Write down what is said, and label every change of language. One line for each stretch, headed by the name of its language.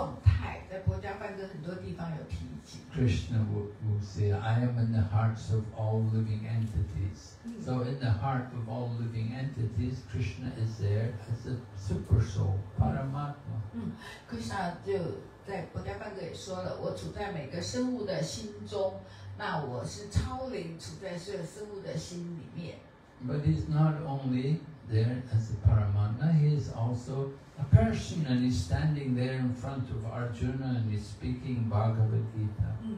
Chinese: 而在佛家梵歌里面也描述到他的超灵的这个状态，在佛家梵歌很多地方有提及。
English: Krishna will say, "I am in the hearts of all living entities." So in the heart of all living entities, Krishna is there as a super soul, Paramatma.
Chinese: Krishna 就在佛家梵歌也说了，我处在每个生物的心中，那我是超灵，处在所有生物的心里面。
English: But he's not only there as a Paramatma, he is also a person, and he's standing there in front of Arjuna and he's speaking Bhagavad Gita.